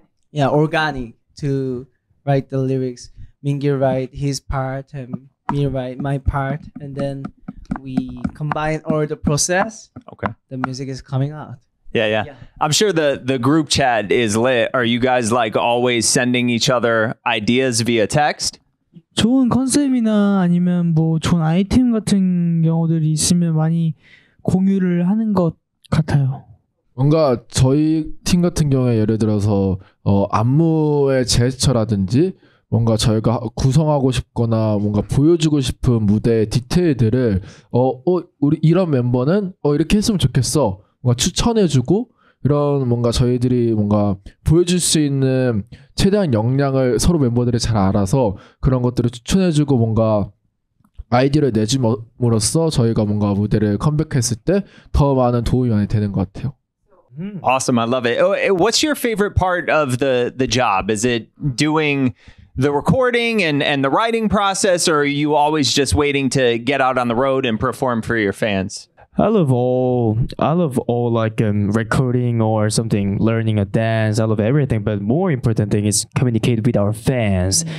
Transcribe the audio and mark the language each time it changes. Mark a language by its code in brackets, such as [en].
[en] Yeah, organic to write the lyrics. Mingi write his part and me write my part, and then we combine all the process. Okay. The music is coming out. Yeah. I'm sure the group chat is lit. Are you guys like always sending each other ideas via text? [ko] 좋은 컨셉이나 아니면 뭐 좋은 아이템 같은 경우들이 있으면 많이 공유를 하는 것 같아요. 뭔가 저희 팀 같은 경우에 예를 들어서 안무의 제스처라든지 뭔가 저희가 구성하고 싶거나 뭔가 보여주고 싶은 무대의 디테일들을 우리 이런 멤버는 이렇게 했으면 좋겠어 뭔가 추천해주고 이런 뭔가 저희들이 뭔가 보여줄 수 있는 최대한 역량을 서로 멤버들이 잘 알아서 그런 것들을 추천해주고 뭔가 아이디어를 내줌으로써 저희가 뭔가 무대를 컴백했을 때 더 많은 도움이 많이 되는 것 같아요. [en] Awesome. I love it. What's your favorite part of the job? Is it doing the recording and the writing process, or are you always just waiting to get out on the road and perform for your fans? I love all like recording or something, learning a dance. I love everything, but more important thing is communicate with our fans.